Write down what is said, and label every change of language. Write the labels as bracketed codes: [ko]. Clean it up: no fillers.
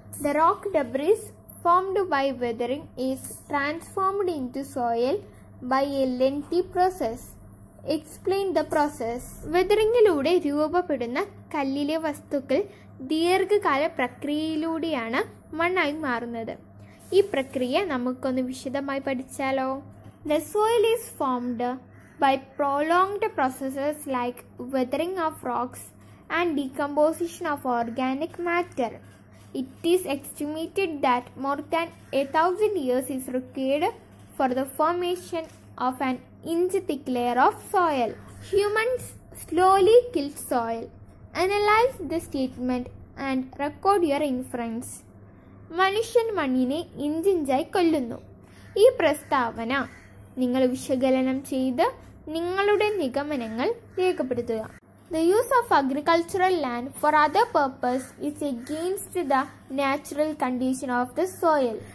[en] The rock debris formed by weathering is transformed into soil by a lengthy process. Explain the process. [ml] വെതറിങ്ങിലൂടെ രൂപപ്പെടുന്ന കല്ലിലെ വസ്തുക്കൾ ദീർഘകാല പ്രക്രിയയിലൂടെയാണ് മണ്ണായി മാറുന്നത്. ഈ പ്രക്രിയ നമുക്കൊന്ന് വിശദമായി പഠിച്ചാലോ? [en] The soil is formed by prolonged processes like weathering of rocks and decomposition of organic matter. It is estimated that more than 1000 years is required for the formation of an inch thick layer of soil. Humans slowly killed soil. Analyze the statement and record your inference. [ml] മനുഷ്യൻ മണ്ണിനെ ഇഞ്ചിഞ്ചായി കൊല്ലുന്നു. ഈ പ്രസ്താവന നിങ്ങൾ വിശകലനം ചെയ്ത് നിങ്ങളുടെ നിഗമനങ്ങൾ രേഖപ്പെടുത്തുക. [en] The use of agricultural land for other purpose is against the natural condition of the soil.